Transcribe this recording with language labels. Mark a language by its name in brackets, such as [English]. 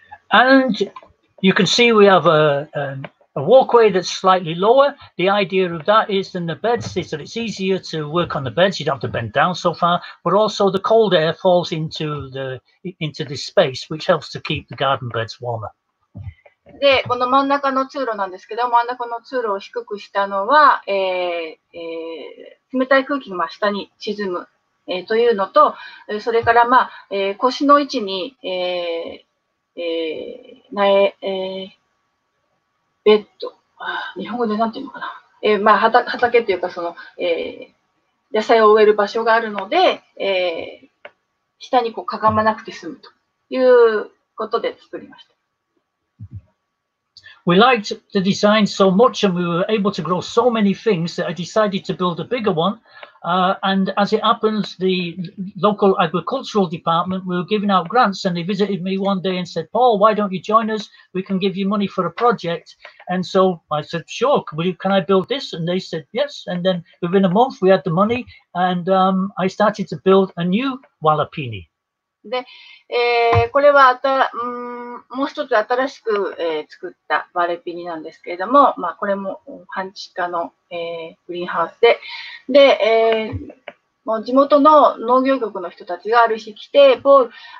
[English] And you can see we have a walkway that's slightly lower. The idea of that is then the beds is that it's easier to work on the beds. You don't have to bend down so far, but also the cold air falls into this space, which helps to keep the garden beds warmer. [Japanese] で、この真ん中の通路なんですけど、真ん中の通路を低くしたのは、冷たい空気が下に沈む、というのと、それから、まあ、腰の位置に、苗、ベッド、日本語でなんていうのかな、まあ、畑というかその、野菜を植える場所があるので、下にこうかがまなくて済むということで作りました。 [English] We liked the design so much and we were able to grow so many things that I decided to build a bigger one. And as it happens, the local agricultural department were giving out grants and they visited me one day and said, Paul, why don't you join us? We can give you money for a project. And so I said, sure, can I build this? And they said, yes. And then within a month we had the money and I started to build a new Wallapini. [Japanese] で、これはもう一つ新しく、作ったワレピニなんですけれども、まあ、これも半地下の、グリーンハウスで、で、もう地元の農業局の人たちがある日来て、政